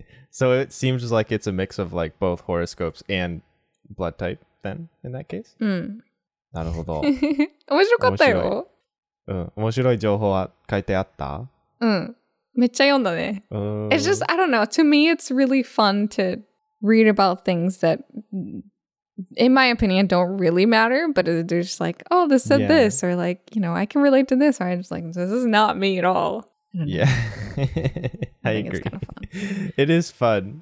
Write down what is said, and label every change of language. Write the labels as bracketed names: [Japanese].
[English] So it seems like it's a mix of like both horoscopes and blood type then in that case? [Japanese] なるほど. 面白かったよ. 面白い情報は書いてあった? めっちゃ読んだね. [English] It's just, I don't know. To me, it's really fun to read about things that, in my opinion, don't really matter. But they're just like, oh, this said this. Or like, you know, I can relate to this. Or I'm just like, this is not me at all. I agree. It's kind of fun. It is fun.